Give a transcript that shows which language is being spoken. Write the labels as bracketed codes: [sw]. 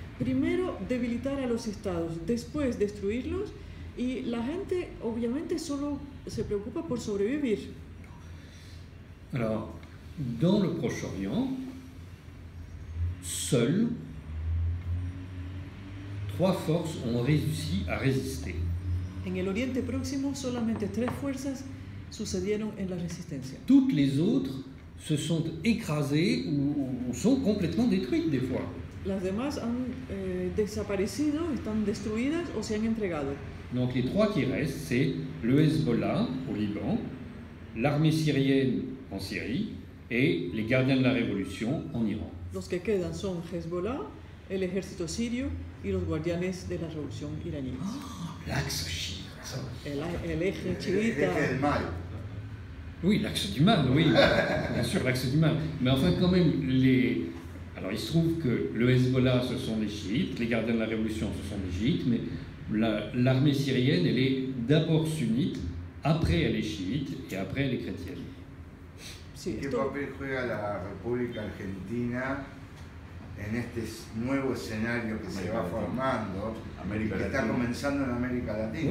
[es] Primero debilitar a los Estados, después destruirlos, y la gente obviamente solo se preocupa por sobrevivir. [fr] Alors, dans le Proche-Orient, seul, trois forces ont réussi à résister. [es] En el Oriente Próximo, solamente tres fuerzas sucedieron en la resistencia. [fr] Toutes les autres se sont écrasées ou sont complètement détruites des fois. [es] Las demás han desaparecido, están destruidas o se han entregado. [fr] Donc les trois qui restent, c'est le Hezbollah au Liban, l'armée syrienne en Syrie et les gardiens de la révolution en Iran. [es] Los que quedan son Hezbollah, el ejército sirio y los guardianes de la revolución iraní. [fr] Oh, l'axe chiite. [es] El eje chiita. [fr] L'axe du mal. Oui, l'axe du mal, oui. Bien sûr, l'axe du mal. Mais enfin, quand même, les... Alors, il se trouve que le Hezbollah, ce sont les chiites, les gardiens de la révolution, ce sont les chiites, mais l'armée syrienne, elle est d'abord sunnite, après elle est chiite, et après elle est chrétienne. [es] ¿Qué papel juega la República Argentina en este nuevo escenario que se va formando, que está comenzando en América Latina?